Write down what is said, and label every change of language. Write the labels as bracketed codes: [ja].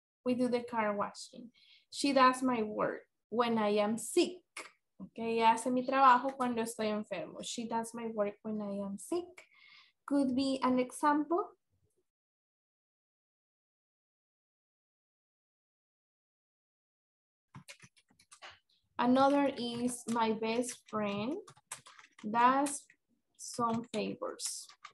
[en] We do the car washing. She does my work when I am sick. [es] Okay, ella hace mi trabajo cuando estoy enfermo. [en] She does my work when I am sick. Could be an example. Another is my best friend does some favors.